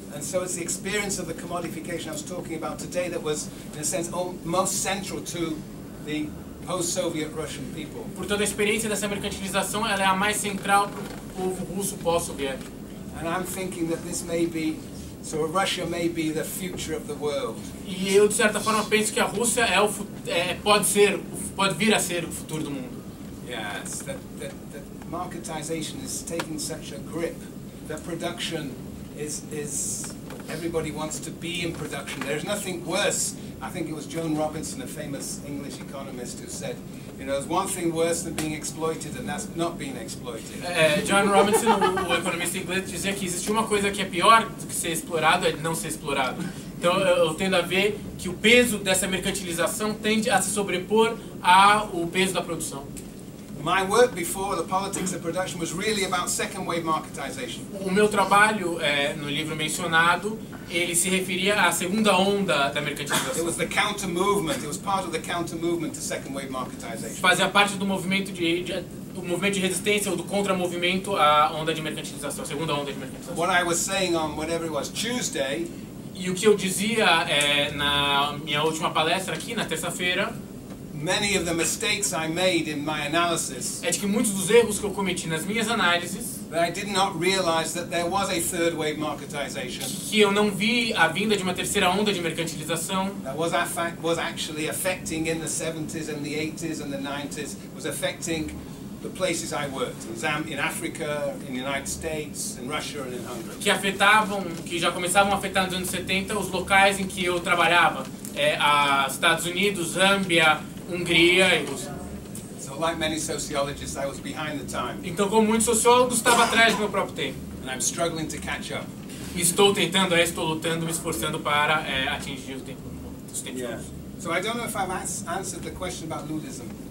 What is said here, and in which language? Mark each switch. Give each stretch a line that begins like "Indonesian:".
English: And so it's the experience of the commodification I was talking about today that was in a sense most central to the post-Soviet Russian people.
Portuguese: Portanto, a experiência dessa mercantilização, ela é a mais central para o povo russo pós-soviético.
English: And I'm thinking that this may be so Russia may be the future of the world.
Portuguese: E eu de certa forma penso que a Rússia pode vir a ser o futuro do mundo.
English: Yes, that marketization is taking such a grip. The production is everybody wants to be in production. There's nothing worse. I think it was Joan Robinson, a famous English economist, who said, you know, there's one thing worse than being exploited, and that's not being exploited.
Portuguese: Joan Robinson, o economista inglês, dizia que existe uma coisa que é pior do que ser explorado, é não ser explorado. Então, eu tendo a ver que o peso dessa mercantilização tende a se sobrepor ao peso da produção.
English: My work before the politics of production was really about second wave marketization.
Portuguese: O meu trabalho no livro mencionado, ele se referia à segunda onda da mercantilização.
English: It was the counter movement. It was part of the counter movement to second wave marketization.
Portuguese: Fazia parte do movimento de resistência ou do contramovimento à onda de mercantilização, segunda onda de mercantilização.
English: What I was saying on whatever it was Tuesday.
Portuguese: E o que eu dizia na minha última palestra aqui na terça-feira.
English: Many of the mistakes I made in my analysis.
Portuguese: É de que muitos dos erros que eu cometi nas minhas análises.
English: That I did not realize that there was a third wave marketization.
Portuguese: Que eu não vi a vinda de uma terceira onda de mercantilização.
English: That was actually affecting in the 70s and the 80s and the 90s. Was affecting the places I worked. In Africa, in the United States, in Russia and in Hungary.
Portuguese: Que já começavam a afetar nos anos 70 os locais em que eu trabalhava. Estados Unidos, Zâmbia, Hungria e Rússia.
English: So like many sociologists, I was behind the time.
Portuguese: Então, como muitos sociólogos, estava atrás do meu próprio tempo.
English: And I'm struggling to catch up.
Portuguese: Estou lutando, me esforçando para atingir os tempos.
English: So I don't know if I've answered the question about Lulism.